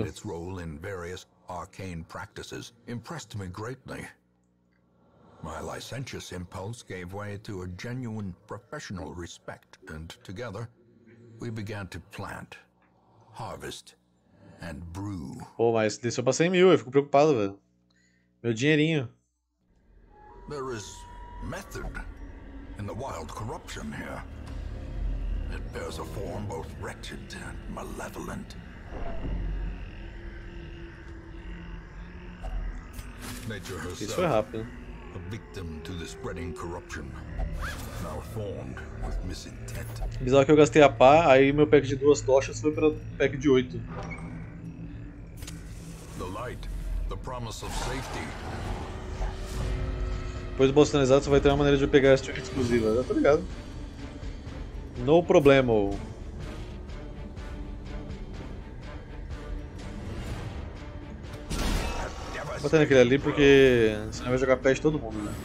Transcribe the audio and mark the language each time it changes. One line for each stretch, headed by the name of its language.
English: And its role in various arcane practices impressed me greatly. My licentious impulse gave way to a genuine professional respect, and together we began to plant, harvest, and brew.
Portuguese: Pô, mas desceu pra 100 mil, eu fico preocupado, velho. Meu dinheirinho.
English: There is method in the wild corruption here. It bears a form both wretched and malevolent. Nature herself,
Portuguese: isso foi rápido.
English: A victim to the spreading corruption, malformed with misintent.
Portuguese: Bizarro que eu gastei a pá, aí meu pack de duas tochas foi para pack de oito.
English: The light, the promise of safety.
Portuguese: Depois do boss finalizado, você vai ter uma maneira de pegar essa exclusiva, tá ligado? No problema. Vou botar naquele ali porque senão vai jogar peste todo mundo, né?